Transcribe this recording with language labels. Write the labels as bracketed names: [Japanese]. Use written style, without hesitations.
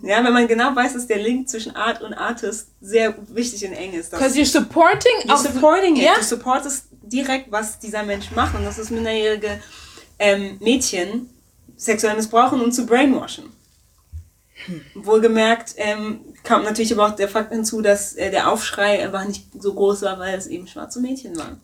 [German] Ja, wenn man genau weiß, dass der Link zwischen Art und Artist sehr wichtig und eng ist. [English] Because you're supporting? You're supporting it. Yeah. [German] Du supportest direkt, was dieser Mensch macht. Und das ist minderjährige Mädchen sexuell missbrauchen und zu brainwashen. Wohlgemerkt kam natürlich aber auch der Fakt hinzu, dass der Aufschrei einfach nicht so groß war, weil es eben schwarze Mädchen waren.